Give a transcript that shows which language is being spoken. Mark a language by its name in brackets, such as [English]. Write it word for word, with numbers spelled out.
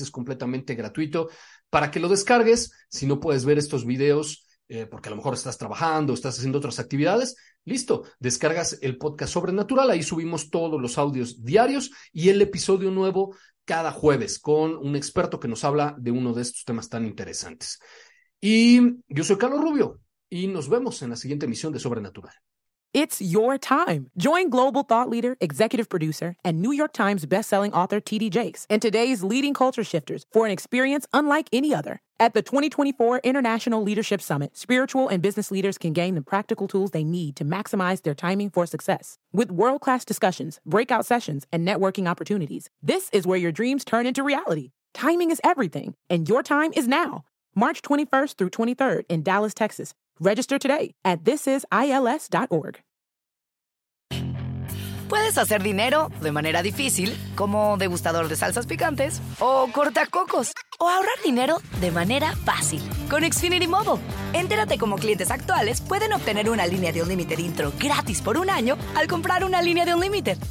[Spanish] Es completamente gratuito para que lo descargues. Si no puedes ver estos videos, eh, porque a lo mejor estás trabajando, estás haciendo otras actividades, listo, descargas el podcast Sobrenatural, ahí subimos todos los audios diarios y el episodio nuevo cada jueves con un experto que nos habla de uno de estos temas tan interesantes. Y yo soy Carlos Rubio y nos vemos en la siguiente emisión de Sobrenatural. [English] It's your time. Join global thought leader, executive producer, and New York Times bestselling author T D Jakes and today's leading culture shifters for an experience unlike any other. At the twenty twenty-four International Leadership Summit, spiritual and business leaders can gain the practical tools they need to maximize their timing for success. With world-class discussions, breakout sessions, and networking opportunities, this is where your dreams turn into reality. Timing is everything, and your time is now. March twenty-first through twenty-third in Dallas, Texas. Register today at this is I L S dot org. [Spanish] Puedes hacer dinero de manera difícil, como degustador de salsas picantes, o cortacocos, o ahorrar dinero de manera fácil con Xfinity Mobile. Entérate cómo clientes actuales pueden obtener una línea de Unlimited intro gratis por un año al comprar una línea de Unlimited.